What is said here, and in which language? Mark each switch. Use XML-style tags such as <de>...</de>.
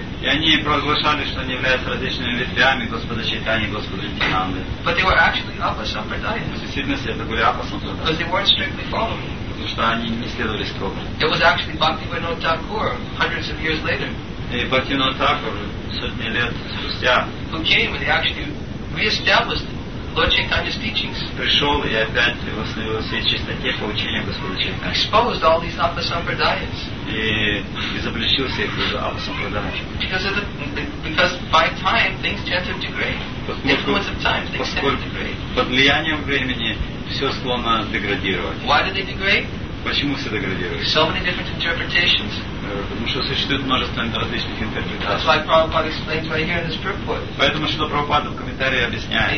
<ru>И они провозглашали, что они являются различными ветвями Господа Чайтаньи и Господа Нитьянанды.</ru> <en>But they were actually Апа Сампрадайя.</en> <ru>В действительности это были Апа Сампрадайя.</ru> <en>Because they weren't strictly following.</en> <ru>Потому что они не следовали строго.</ru> <en>It was actually Bhaktivinoda Thakur, hundreds of years later.</en> <ru>И Бхактивинода Тхакур сотни лет спустя.</ru> <en>Who came and actually re-established Lord Chaitanya's teachings.</en> <ru>Пришел и опять восстановил все чистоте по учению Господа Чайтаньи.</ru> <en>Exposed all these Апа Сампрадайяс.</en> <ru>И изобличил всех уже Апа Сампрадайя.</ru> <en>Because by time things tend to degrade. Influence of time, things tend to degrade.</en> <ru>Под влиянием времени все склонно деградировать.</ru> <en>Why do they degrade?</en> <ru>Почему все деградируют?</ru> <en>So many different interpretations.</en> <ru>Потому что существует множество различных интерпретаций.</ru> <en>That's why Prabhupada explains right here in this purport.</en> <ru>Поэтому что Прабхупада в комментарии объясняет.</ru>